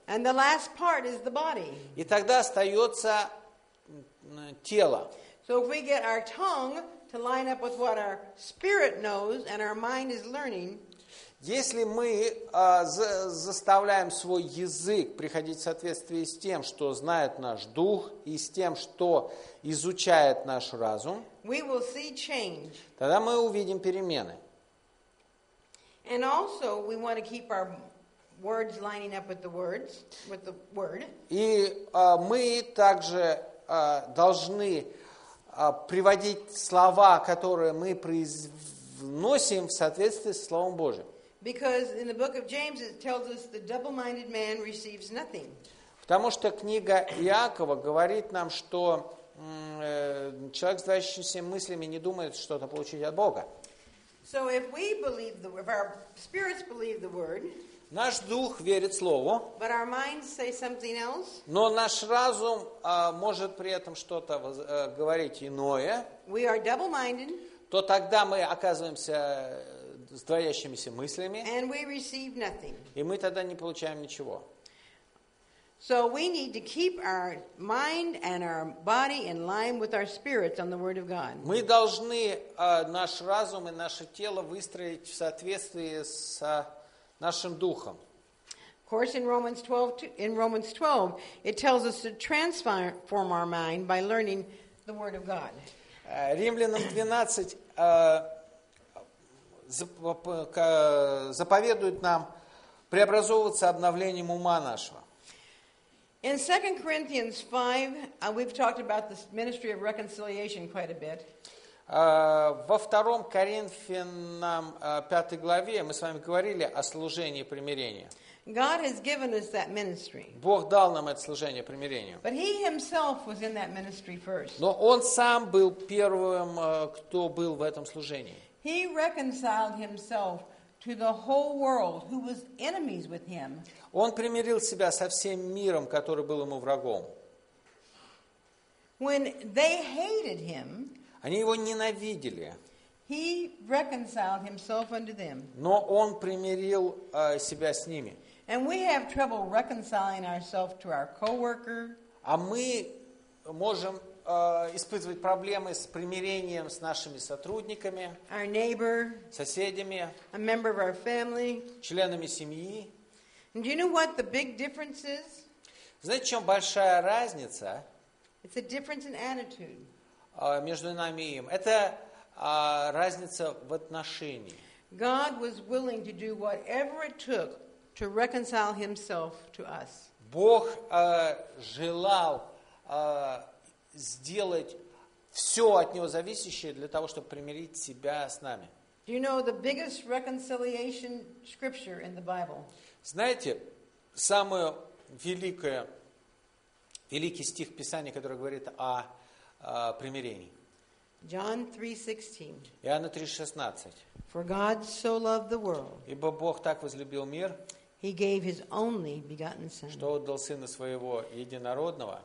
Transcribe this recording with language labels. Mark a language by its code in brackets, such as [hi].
[en] And the last part is the body. [ru] И тогда остается тело. [en] So if we get our tongue to line up with what our spirit knows and our mind is learning. [ru] Если мы заставляем свой язык приходить в соответствии с тем, что знает наш дух, и с тем, что изучает наш разум, [en] we will see change. [ru] Тогда мы увидим перемены. [en] And also we want to keep our words lining up with the words, with the word. [ru] И мы также должны приводить слова, которые мы произносим в соответствии с Словом Божьим. [en] Because in the book of James it tells us the double-minded man receives nothing. [ru] Потому что книга Иакова говорит нам, что человек с двоящимися мыслями не думает что-то получить от Бога. [en] So if we believe if our spirits believe the word, [ru] наш дух верит слову, [en] but our minds say something else, [ru] но наш разум может при этом что-то говорить иное. [en] We are double-minded. [ru] То тогда мы оказываемся с двоящимися мыслями. [en] And we receive nothing. [ru] И мы тогда не получаем ничего. [en] So we need to keep our mind and our body in line with our spirits on the word of God. [ru] Мы должны наш разум и наше тело выстроить в соответствии с нашим духом. [en] Of course, in Romans 12, it tells us to transform our mind by learning the word of God. [ru] Римлянам 12 заповедует нам преобразовываться обновлением ума нашего. [en] In 2 Corinthians 5, we've talked about the ministry of reconciliation quite a bit. [ru] Во 2 Коринфянам 5 главе мы с вами говорили о служении примирения. [en] God has given us that ministry. [ru] Бог дал нам это служение примирения. [en] But he himself was in that ministry first. [ru] Но он сам был первым, кто был в этом служении. [en] He reconciled himself to the whole world who was enemies with him. [ru] Он примирил себя со всем миром, который был ему врагом. [en] When they hated him, [ru] они его ненавидели. [en] He reconciled himself unto them. [ru] Но он примирил себя с ними. [en] And we have trouble reconciling ourselves to our coworker. [ru] А мы можем испытывать проблемы с примирением с нашими сотрудниками, [en] our neighbor, [ru] соседями, [en] a member of our family, [ru] членами семьи. [en] And do you know what the big difference is? [ru] Знаете, в чем большая разница? [en] It's a difference in attitude. [ru] Между нами и им. Это разница в отношении. [en] God was willing to do whatever it took to reconcile himself to us. [ru] Бог желал сделать все от него зависящее для того, чтобы примирить себя с нами. [en] Do you know the biggest reconciliation scripture in the Bible? [ru] Знаете, самое великое, великий стих Писания, который говорит о примирении? [en] John 3:16. [ru] Иоанна 3:16. [en] For God so loved the world. [ru] Ибо Бог так возлюбил мир. [en] He gave his only begotten son. [ru] Что отдал сына своего единородного.